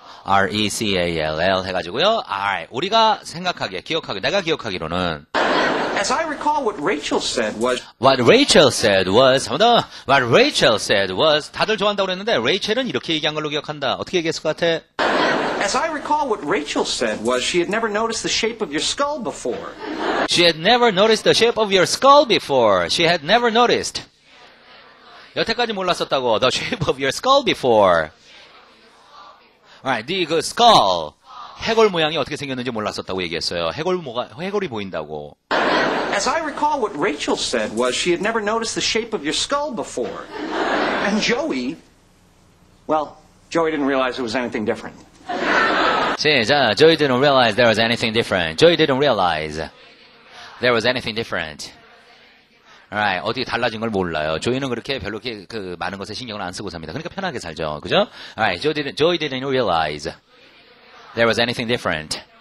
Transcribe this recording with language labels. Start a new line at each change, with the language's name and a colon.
Korean: R-E-C-A-L-L 해가지고요. I. 우리가 생각하기에, 기억하기에, 내가 기억하기로는
English: As I recall, what Rachel said was. What Rachel said was.
Korean: 잠깐만.
English: What Rachel said was.
Korean: 다들 좋아한다고 했는데, Rachel은 이렇게 얘기한 걸로 기억한다. 어떻게 얘기했을 것 같아?
English: As I recall, what Rachel said was, she had never noticed the shape of your skull before. She had never noticed the shape of your skull before. She had never noticed.
Korean: 여태까지 몰랐었다고.
English: The shape of your skull before. Alright, 네 그 skull.
Korean: 해골 모양이 어떻게 생겼는지 몰랐었다고 얘기했어요. 해골 뭐가 해골이 보인다고.
English: As I recall what Rachel said was she had never noticed the shape of your skull before. And Joey well, Joey didn't realize it was anything different.
Korean: 시작.
English: Joey didn't realize there was anything different. Joey didn't realize there was anything different.
Korean: Alright, 어디 달라진 걸 몰라요. 조이는 그렇게 별로 그 많은 것에 신경을 안 쓰고 삽니다. 그러니까 편하게 살죠. 그죠?
English: Alright, Joey didn't realize there was anything different.